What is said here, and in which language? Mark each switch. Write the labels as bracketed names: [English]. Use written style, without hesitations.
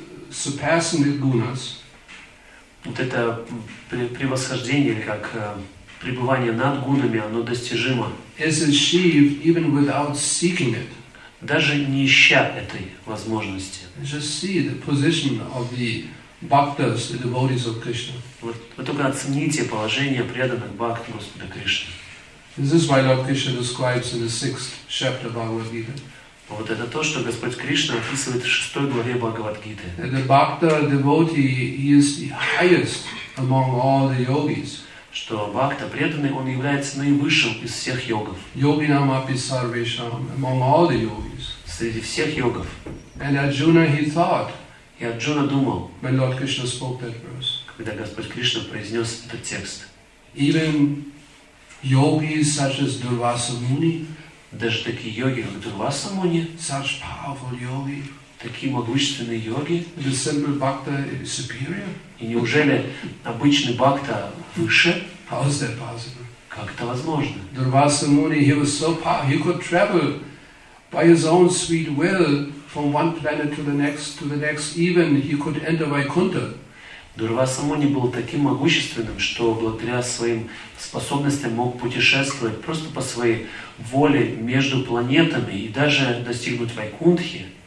[English] Surpassing the gunas. [Russian] Вот это превосхождение или как пребывание над гунами, оно достижимо. [English] Is achieved even without seeking it. [Russian] даже не ища этой возможности. [English] Just see the position of the bhaktas, the devotees of Krishna. [Russian] Вы только оцените положение преданных бхакт Господа Кришны. [English] This is why Lord Krishna describes in the sixth chapter of Bhagavad Gita. [Russian] Вот это то, что Господь Кришна описывает в шестой главе Бхагавад-гиты. [English] The bhakta devotee is the highest among all the yogis. [Russian] Что бхакта преданный, он является наивысшим из всех йогов. [Sanskrit] Yoginam api sarvesham [English] among all the yogis. [Russian] Среди всех йогов. [English] And Arjuna he thought. [Russian] И Арджуна думал. [English] When Lord Krishna spoke that verse. [Russian] Когда Господь Кришна произнес этот текст. [English] Even yogis such as Durvasa Muni. [Russian] Даже такие йоги, как Дурваса Муни, [English] such powerful yogi, [Russian] такие могущественные йоги, [English] the simple bhakta is superior. [Russian] И неужели обычный бхакта выше? [English] How is that possible? [Russian] Как это возможно? [English] Дурваса Муни, he was so powerful, he could travel by his own sweet will from one planet to the next, even he could enter Vaikuntha. [Russian] Дурваса Муни был таким могущественным, что благодаря своим способностям мог путешествовать просто по своей воле между планетами и даже достигнуть Вайкунтхи.